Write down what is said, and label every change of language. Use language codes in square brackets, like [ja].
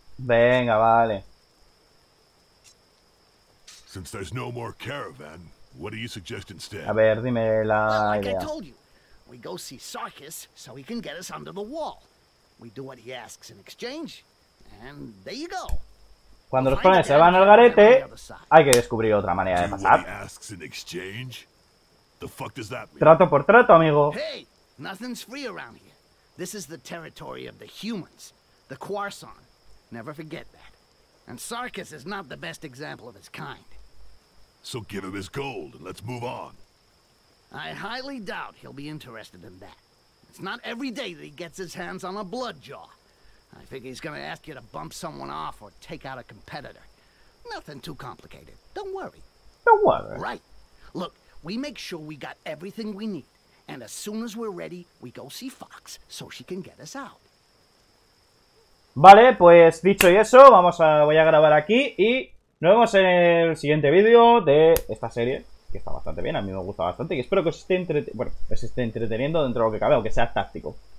[es] Venga, vale. [en] Since there's no more caravan, what do you suggest instead? [es] A ver, dime la [en] well, like [es] idea. [en] I told you, we go see Sarkis so he can get us under the wall. We do what he asks in exchange, and there you go. [es] Cuando los planes se van al garete, hay que descubrir otra manera de pasar. [en] Do what he asks in exchange? The fuck does that mean? [es] Trato por trato, amigo. [en] Hey, nothing's free around here. This is the territory of the humans, the Quarson. Never forget that. And Sarkis is not the best example of his kind. So give him his gold and let's move on. I highly doubt he'll be interested in that. It's not every day that he gets his hands on a blood jaw. I think he's gonna ask you to bump someone off or take out a competitor. Nothing too complicated. Don't worry. Don't worry. Right. Look, we make sure we got everything we need. And as soon as we're ready, we go see Fox so she can get us out. [es] Vale, pues dicho y eso, voy a grabar aquí y nos vemos en el siguiente vídeo de esta serie, que está bastante bien, a mí me gusta bastante y espero que os esté entreteniendo dentro de lo que cabe, aunque sea táctico.